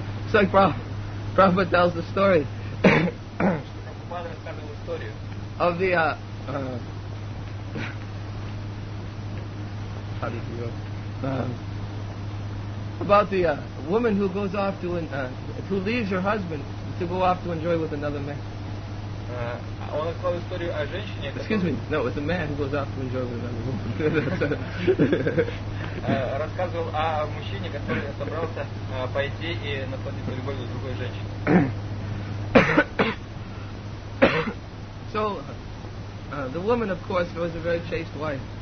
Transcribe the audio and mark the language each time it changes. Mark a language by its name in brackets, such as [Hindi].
[English] So, like Prabhupada tells the story. [Russian] Прабхупада рассказывал историю. [English] Of the, how did you go? About the woman who goes off to who leaves her husband to go off to enjoy with another man. It's a man who goes off to enjoy with another woman. [Russian] Рассказывал о мужчине, который собрался пойти и насладиться любовью с другой женщиной. [English] So, the woman, of course, was a very chaste wife.